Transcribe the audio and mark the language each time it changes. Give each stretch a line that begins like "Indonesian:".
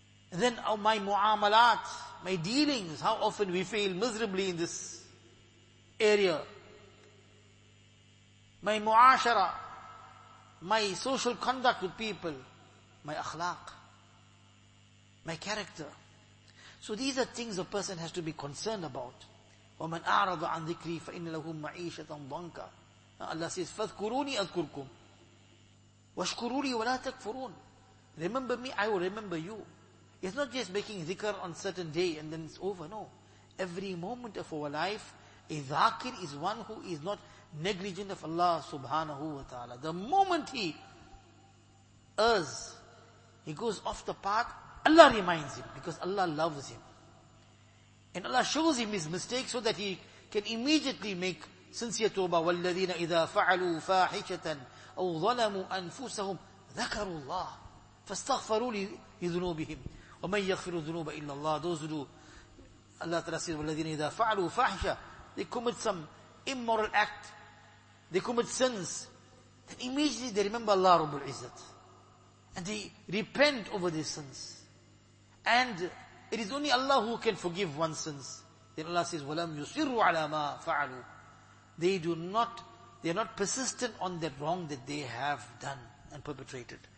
English: And then oh, my mu'amalat, my dealings, how often we fail miserably in this area. My mu'ashara, my social conduct with people, my akhlaq, my character. So these are things a person has to be concerned about.
Arabic: وَمَنْ أَعْرَضَ عَنْ ذِكْرِي فَإِنَّ لَهُمْ مَعِيشَةً ضَنْكًا
English: Allah says,
Arabic: فَذْكُرُونِي أَذْكُرْكُمْ وَشْكُرُونِي وَلَا تَكْفُرُونَ
English: Remember me, I will remember you. It's not just making dhikr on certain day and then it's over, no. Every moment of our life, a dhakir is one who is not negligent of Allah subhanahu wa ta'ala. The moment he errs, he goes off the path, Allah reminds him because Allah loves him. And Allah shows him his mistake so that he can immediately make sincere tawbah.
Arabic: وَالَّذِينَ إِذَا فَعَلُوا فَاحِشَةً أَوْ ظَلَمُوا أَنفُسَهُمْ ذَكَرُوا اللَّهِ فَاسْتَغْفَرُوا لِذُنُوبِهِمْ وَمَنْ يَغْفِرُ ذُنُوبَ إِلَّا اللَّهِ
English: Those who do, Allah Ta'ala says,
Arabic: وَالَّذِينَ إِذَا فَعَلُوا فَاحِشَةً
English: They commit some immoral act. They commit sins. Then immediately they remember Allah Rabbul Izzat. And they repent over their sins. And it is only Allah who can forgive one's sins. Then Allah says,
Arabic: وَلَمْ يُصِرُّ عَلَى مَا فَعَلُوا
English: They are not persistent on that wrong that they have done and perpetrated.